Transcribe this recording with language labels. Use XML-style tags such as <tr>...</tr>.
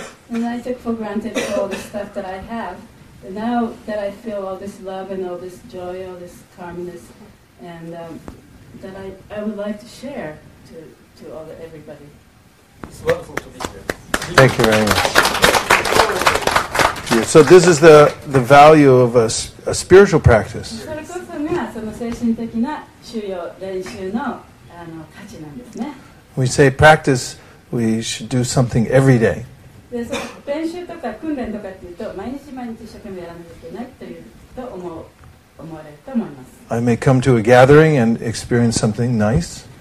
<en>And I took for granted all the stuff that I have. And now that I feel all this love and all this joy, all this calmness, and that I would like to share to everybody. Thank you very much. Yeah, so this is the value of a spiritual practice.</en> <ja>それこそがその精神的な修行練習の、価値なんですね。</ja> <en>We say practice, we should do something every day.</en> <ja>で、その練習とか訓練とかっていうと、毎日毎日一生懸命やらなきゃいけないという思われると思います。</ja> <en>I may come to a gathering and experience something nice.</en>